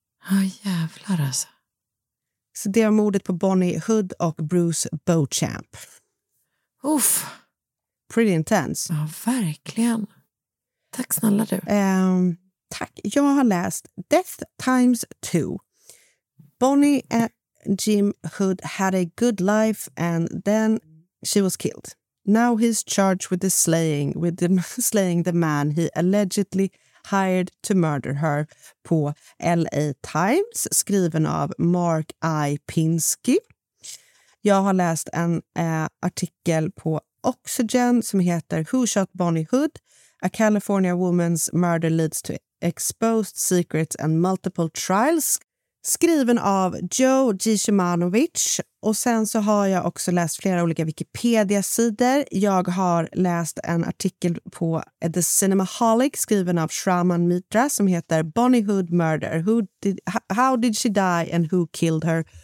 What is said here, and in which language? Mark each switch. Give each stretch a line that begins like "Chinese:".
Swedish: Ja, jävlar alltså. Så det var mordet på Bonnie Hood och Bruce Beauchamp. Uff.
English: Pretty intense.
Swedish: Ja, verkligen. Tack snälla du. Tack. Jag har läst Death Times 2.
English: Bonnie and Jim Hood had a good life and then she was killed. Now he's charged with the slaying, slaying the man he allegedly hired to murder her,
Swedish: på LA Times, skriven av Mark I. Pinsky. Jag har läst en artikel på Oxygen som heter Who Shot Bonnie Hood?
English: A California Woman's Murder Leads to Exposed Secrets and Multiple Trials.
Swedish: Skriven av Joe G. Szymanowicz. Och sen så har jag också läst flera olika Wikipedia-sidor. Jag har läst en artikel på The Cinemaholic skriven av Shraman Mitra som heter Bonnie Hood Murder.
English: How did she die and who killed her?